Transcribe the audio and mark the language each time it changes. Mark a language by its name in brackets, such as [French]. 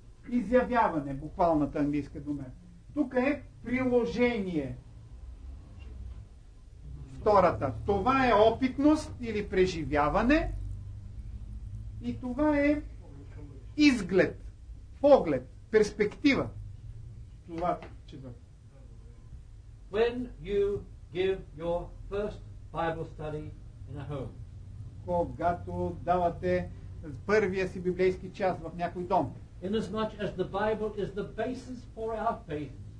[Bulgarian] Изявяване, буквалната английска дума. Тук е приложение. Втората. Това е опитност или преживяване. И това е изглед, поглед, перспектива. Това четвърто. [English] When you give your first Bible study in a home. [Bulgarian] Когато давате първия си библейски час в някой дом. [English] Inasmuch as the Bible is the basis for our faith.